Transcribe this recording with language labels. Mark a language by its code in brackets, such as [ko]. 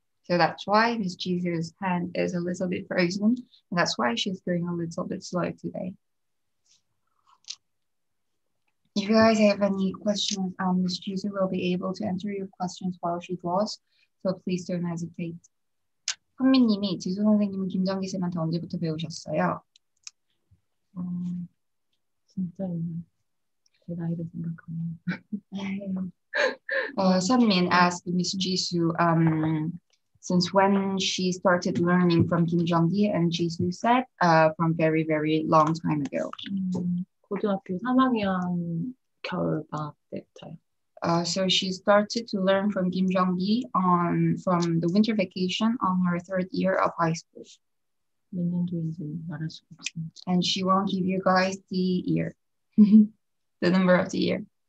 [en] So that's why Ms. Jisoo's hand is a little bit frozen, and that's why she's going a little bit slow today. If you guys have any questions, Ms. Jisoo will be able to answer your questions while she draws, so please don't hesitate. [ko] 선미님이 지수 선생님은 김정기 쌤한테 언제부터 배우셨어요? 진짜 제 나이를 생각하면 [en] Sunmin asked Miss Jisoo since when she started learning from Kim Jong-gi and Jisoo said from very very long time ago. [ko] 고등학교 3학년 겨울방학 때부터요. [en] So she started to learn from Kim Jong-gi from the winter vacation on her third year of high school. [ko] 몇 년도인지 말할 수 없습니다. [en] And she won't give you guys the year. The number of the year.